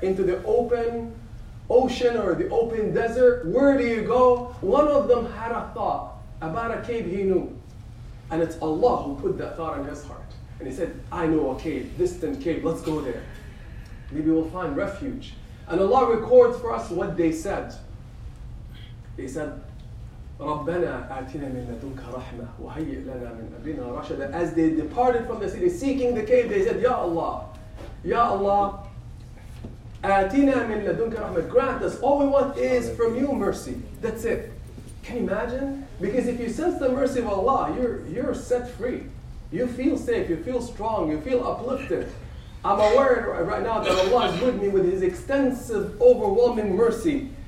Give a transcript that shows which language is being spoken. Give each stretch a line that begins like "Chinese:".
English: Into the open ocean or the open desert? Where do you go? One of them had a thought about a cave he knew. And it's Allah who put that thought in his heart. And he said, I know a cave, distant cave, let's go there. Maybe we'll find refuge. And Allah records for us what they said. They said,
Arabic: رَبَّنَا آتِنَا مِنْ لَدُنْكَ رَحْمَةً وَهَيِّئْ لَنَا مِنْ أَبِنَا رَشَدًا.
English: As they departed from the city, seeking the cave, they said, Ya Allah,
Arabic: آتِنَا مِنْ لَدُنْكَ رَحْمَةً.
English: Grant us, all we want is from you mercy. That's it. Can you imagine? Because if you sense the mercy of Allah, you're set free. You feel safe, you feel strong, you feel uplifted. I'm aware right now that Allah is with me with His extensive, overwhelming mercy.